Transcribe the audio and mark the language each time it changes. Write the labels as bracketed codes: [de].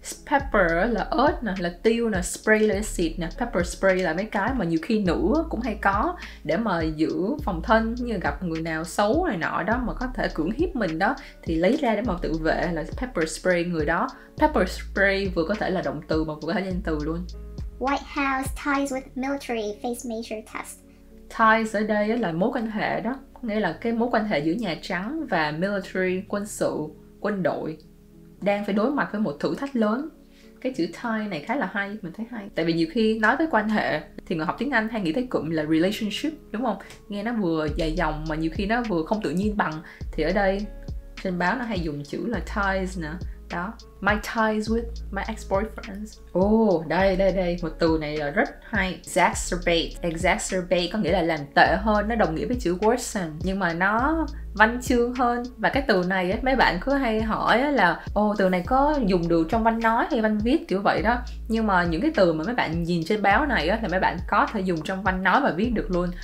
[vi] Pepper là ớt nè, là tiêu nè, spray là xịt nè. Pepper spray là mấy cái mà nhiều khi nữ cũng hay có để mà giữ phòng thân, như gặp người nào xấu này nọ đó mà có thể cưỡng hiếp mình đó thì lấy ra để mà tự vệ, là pepper spray người đó. Pepper spray vừa có thể là động từ mà vừa có thể danh từ luôn. [en] White House ties with military face major test. [vi] Ties ở đây là mối quan hệ đó, nghĩa là cái mối quan hệ giữa Nhà Trắng và military, quân sự, quân đội đang phải đối mặt với một thử thách lớn. Cái chữ tie này khá là hay, mình thấy hay. Tại vì nhiều khi nói tới quan hệ thì người học tiếng Anh hay nghĩ tới cụm là relationship, đúng không? Nghe nó vừa dài dòng mà nhiều khi nó vừa không tự nhiên bằng. Thì ở đây trên báo nó hay dùng chữ là ties nè. [en] Đó, my ties with my ex-boyfriends. [vi] Oh, đây, một từ này là rất hay. Exacerbate có nghĩa là làm tệ hơn, nó đồng nghĩa với chữ worsen. Nhưng mà nó văn chương hơn. Và cái từ này ấy, mấy bạn cứ hay hỏi là từ này có dùng được trong văn nói hay văn viết kiểu vậy đó. Nhưng mà những cái từ mà mấy bạn nhìn trên báo này ấy, là mấy bạn có thể dùng trong văn nói và viết được luôn.